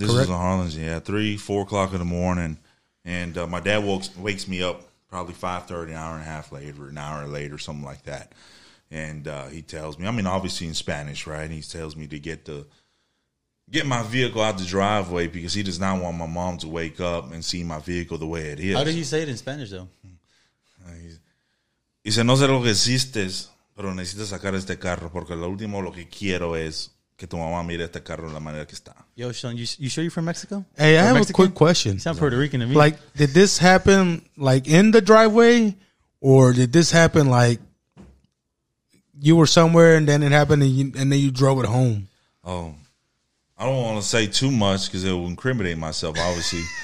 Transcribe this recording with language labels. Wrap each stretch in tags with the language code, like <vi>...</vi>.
<en>This was in Harlingen, yeah, 3-4 o'clock in the morning. And my dad wakes me up probably 5:30, an hour later, something like that. And he tells me, I mean, obviously in Spanish, right? And he tells me to get my vehicle out the driveway because he does not want my mom to wake up and see my vehicle the way it is. How did he say it in Spanish, though?</en> <es>He said, no sé lo que hiciste, pero necesitas sacar este carro porque lo último lo que quiero es que tu mamá mire este carro de la manera que está.</es> <en>Yo, Sean, you sure you're from Mexico? Hey, I have a quick question. You sound Puerto Rican to me. Like, did this happen, like, in the driveway? Or did this happen, like, you were somewhere and then it happened and then you drove it home? Oh, I don't want to say too much because it will incriminate myself, obviously.</en>